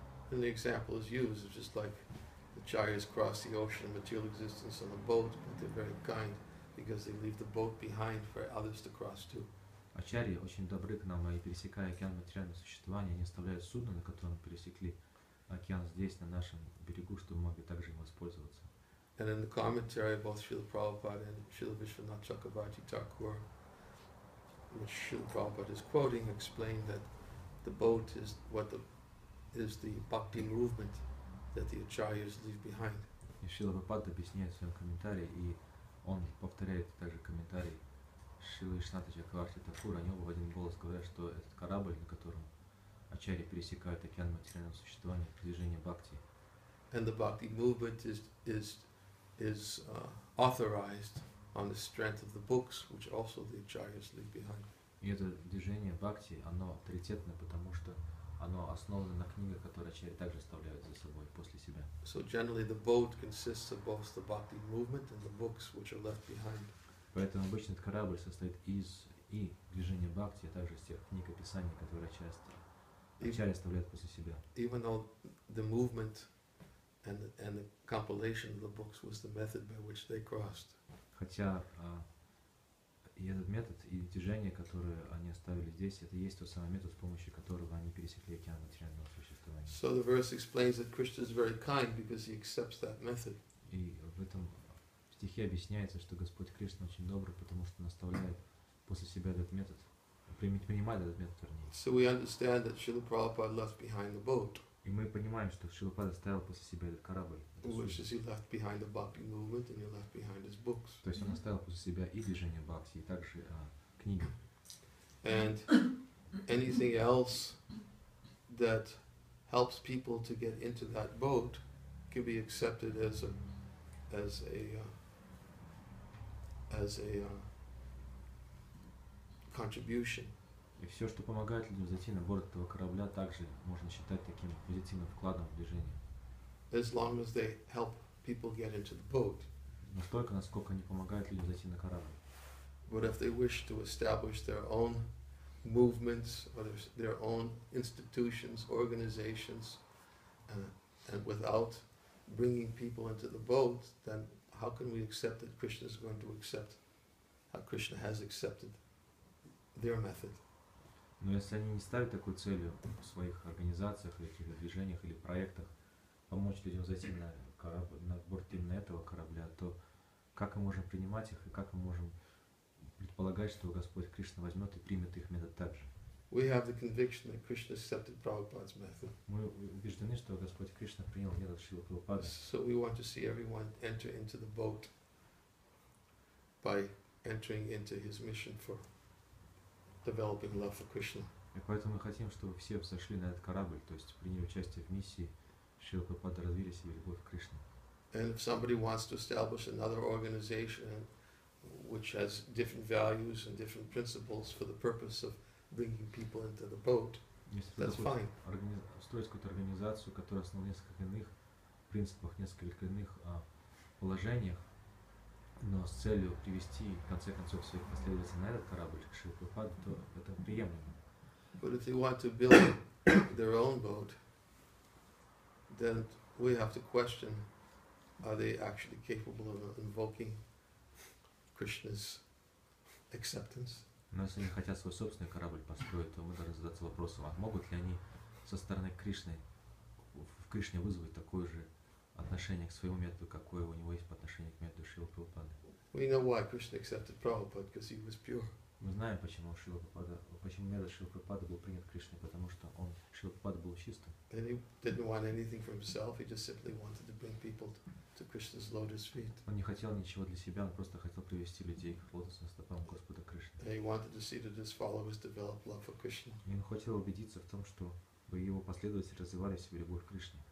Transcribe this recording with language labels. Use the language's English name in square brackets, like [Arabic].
[English] And the example is used, it's just like the acharyas cross the ocean of material existence on a boat, but they're very kind because they leave the boat behind for others to cross to. [Russian] Ачарьи очень добры к нам, и пересекая океан материального существования, они оставляют судно, на котором пересекли океан здесь, на нашем берегу, чтобы мы могли также им воспользоваться. [English] And in the commentary of both Srila Prabhupada and Srila Vishwanath Chakravarti Thakur, which Srila Prabhupada is quoting, explained that the boat is the bhakti movement that the acharyas leave behind. [Russian] И Шрила Прабхупада объясняет в своем комментарии, и он повторяет также комментарий Шрилы Вишнаты Чакраварти Такура, они оба в один голос говорят, что этот корабль, на котором ачарьи пересекают океан материального существования, движение бхакти. [English] And the bhakti movement is authorized on the strength of the books, which also the acharyas leave behind. [Russian] И это движение бхакти, оно авторитетное, потому что оно основано на книгах, которые ачарьи также оставляют за собой после себя. [English] So generally the boat consists of both the bhakti movement and the books which are left behind. [Russian] Поэтому обычно этот корабль состоит из и движения бхакти, а также из тех книг и писаний, которые ачарьи оставляют после себя. [English] Even though the movement and the compilation of the books was the method by which they crossed. [Russian] Хотя и этот метод, и движение, которое они оставили здесь, это есть тот самый метод, с помощью которого они пересекли океан материального существования. [English] So the verse explains that Krishna is very kind because he accepts that method. [Russian] И в этом стихе объясняется, что Господь Кришна очень добрый, потому что он оставляет после себя этот метод, принимает этот метод, вернее. [English] So we understand that Srila Prabhupada left behind the boat. [Russian] И мы понимаем, что Шрила Прабхупада оставил после себя этот корабль. [English] Which is he left behind the bhakti movement and he left behind his books. [Russian] То есть он оставил после себя и движение бхакти, и также книги. [English] And anything else that helps people to get into that boat can be accepted as a contribution [Russian] И все, что помогает людям зайти на борт этого корабля, также можно считать таким позитивным вкладом в движение. [English] As long as they help people get into the boat. [Russian] Настолько, насколько они помогают людям зайти на корабль. [English] But if they wish to establish their own movements or their own institutions, organizations, and without bringing people into the boat, then how can we accept that Krishna is going to accept how Krishna has accepted their method? [Russian] Но если они не ставят такой целью в своих организациях, или каких-то движениях или проектах помочь людям зайти на корабль, на борт именно этого корабля, то как мы можем принимать их и как мы можем предполагать, что Господь Кришна возьмет и примет их метод также? [English] We have the conviction that Krishna accepted Prabhupada's method. [Russian] Мы убеждены, что Господь Кришна принял метод Шрилы Прабхупады. [English] So we want to see everyone enter into the boat by entering into his mission for developing love for Krishna. [Russian] И поэтому мы хотим, чтобы все взошли на этот корабль, то есть приняли участие в миссии Шрилы Прабхупады, развили себе любовь к Кришне. [English] And if somebody wants to establish another organization which has different values and different principles for the purpose of bringing people into the boat, that's fine. [Russian] Строить какую-то организацию, которая основана на нескольких иных принципах, несколько иных положениях, но с целью привести, в конце концов, своих последователей на этот корабль, к Шриле Прабхупаде, то это приемлемо. [English] But if they want to build their own boat, then we have to question, are they actually capable of invoking Krishna's acceptance? [Russian] Но если они хотят свой собственный корабль построить, то мы должны задаться вопросом, а могут ли они со стороны Кришны, в Кришне вызвать такое же отношение к своему методу, какое у него есть по отношению к методу Шрилы Прабхупады? [English] We know why Krishna accepted Prabhupada, because he was pure. [Russian] Мы знаем, почему метод Шрилы Прабхупады был принят Кришной, потому что он, Шрилы Прабхупада, был чистым. [English] And he didn't want anything for himself, he just simply wanted to bring people to Krishna's lotus feet. [Russian] Он не хотел ничего для себя, он просто хотел привести людей к лотосным стопам Господа Кришны. [English] And he wanted to see that his followers develop love for Krishna. [Russian] И он хотел убедиться в том, чтобы его последователи развивали себе любовь к Кришне.